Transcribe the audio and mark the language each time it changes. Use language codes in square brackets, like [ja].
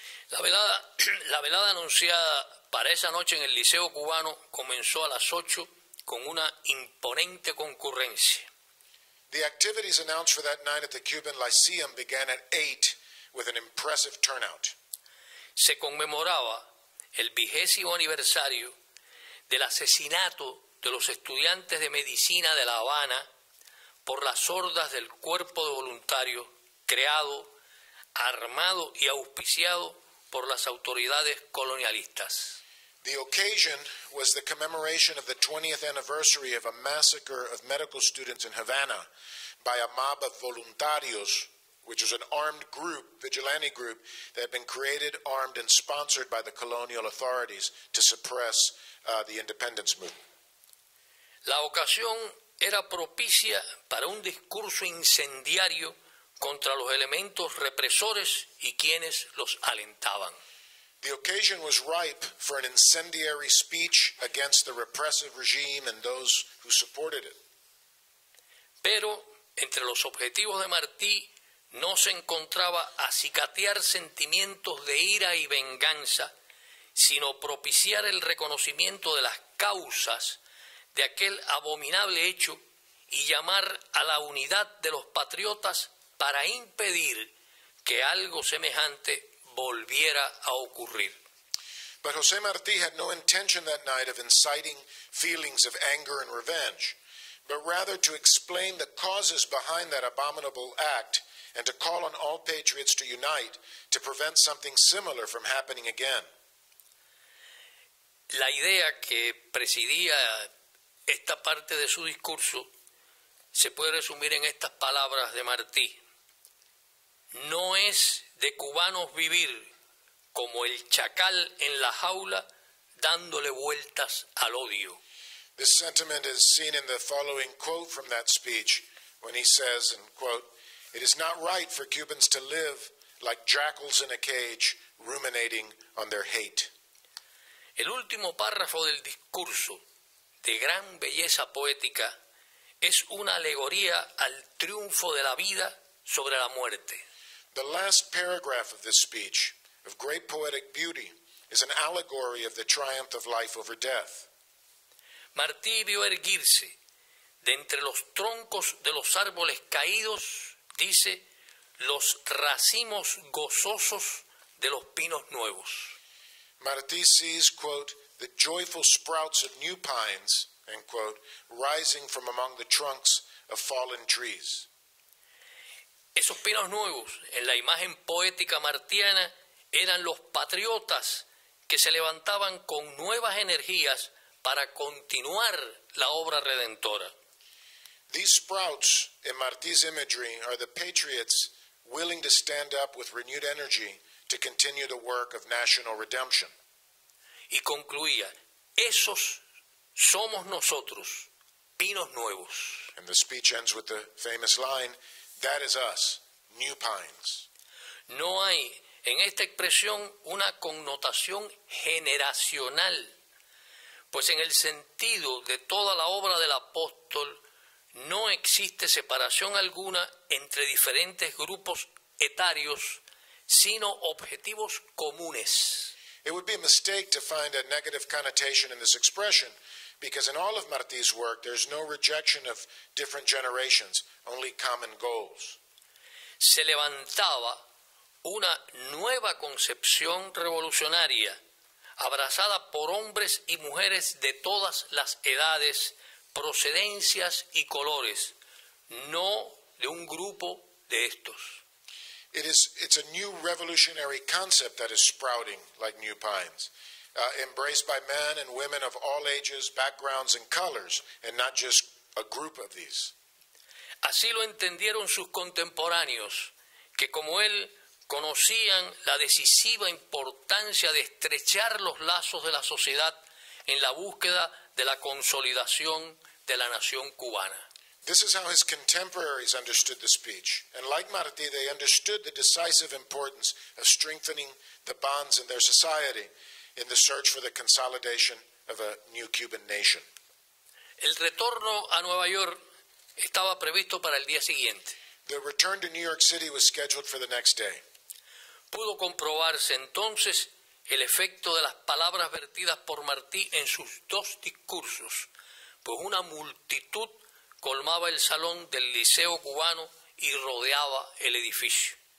[es] La velada anunciada para esa noche en el Liceo Cubano comenzó a las 8 con una imponente concurrencia. [en] The activities announced for that night at the Cuban Lyceum began at 8 with an impressive turnout. [es] Se conmemoraba el vigésimo aniversario del asesinato de los estudiantes de medicina de La Habana por las hordas del cuerpo de voluntarios creado, armado y auspiciado por las autoridades colonialistas. [en] The occasion was the commemoration of the 20th anniversary of a massacre of medical students in Havana by a mob of voluntarios, which is an armed group, vigilante group, that had been created, armed, and sponsored by the colonial authorities to suppress the independence movement. [es] La ocasión era propicia para un discurso incendiario contra los elementos represores y quienes los alentaban. [en] The occasion was ripe for an incendiary speech against the repressive regime and those who supported it. [es] Pero entre los objetivos de Martí no se encontraba acicatear sentimientos de ira y venganza, sino propiciar el reconocimiento de las causas de aquel abominable hecho y llamar a la unidad de los patriotas para impedir que algo semejante volviera a ocurrir. [en] But José Martí had no intention that night of inciting feelings of anger and revenge, but rather to explain the causes behind that abominable act and to call on all patriots to unite to prevent something similar from happening again. [es] La idea que presidía esta parte de su discurso se puede resumir en estas palabras de Martí. No es de cubanos vivir como el chacal en la jaula dándole vueltas al odio. [en] This sentiment is seen in the following quote from that speech when he says, and quote, "It is not right for Cubans to live like jackals in a cage ruminating on their hate." [es] El último párrafo del discurso, de gran belleza poética, es una alegoría al triunfo de la vida sobre la muerte. [en] The last paragraph of this speech, of great poetic beauty, is an allegory of the triumph of life over death. [es] Martí vio erguirse de entre los troncos de los árboles caídos, dice, los racimos gozosos de los pinos nuevos. [en] Martí sees, quote, "the joyful sprouts of new pines," end quote, "rising from among the trunks of fallen trees." [es] Esos pinos nuevos, en la imagen poética martiana, eran los patriotas que se levantaban con nuevas energías para continuar la obra redentora. [en] These sprouts, in Martí's imagery, are the patriots willing to stand up with renewed energy to continue the work of national redemption. [es] Y concluía, esos somos nosotros, pinos nuevos. [en] And the speech ends with the famous line, "That is us, new pines." [es] No hay en esta expresión una connotación generacional, pues en el sentido de toda la obra del apóstol no existe separación alguna entre diferentes grupos etarios, sino objetivos comunes. [en] It would be a mistake to find a negative connotation in this expression, because in all of Martí's work there's no rejection of different generations, only common goals. [es] Se levantaba una nueva concepción revolucionaria, abrazada por hombres y mujeres de todas las edades, procedencias y colores, no de un grupo de estos. [en] It's a new revolutionary concept that is sprouting like new pines, embraced by men and women of all ages, backgrounds and colors, and not just a group of these. [es] Así lo entendieron sus contemporáneos, que como él conocían la decisiva importancia de estrechar los lazos de la sociedad en la búsqueda de la consolidación de la nación cubana. [en] This is how his contemporaries understood the speech. And like Martí, they understood the decisive importance of strengthening the bonds in their society in the search for the consolidation of a new Cuban nation. [es] El retorno a Nueva York estaba previsto para el día siguiente. [en] The return to New York City was scheduled for the next day. [es] Pudo comprobarse entonces el efecto de las palabras vertidas por Martí en sus dos discursos, pues una multitud colmaba el salón del Liceo Cubano y rodeaba el edificio.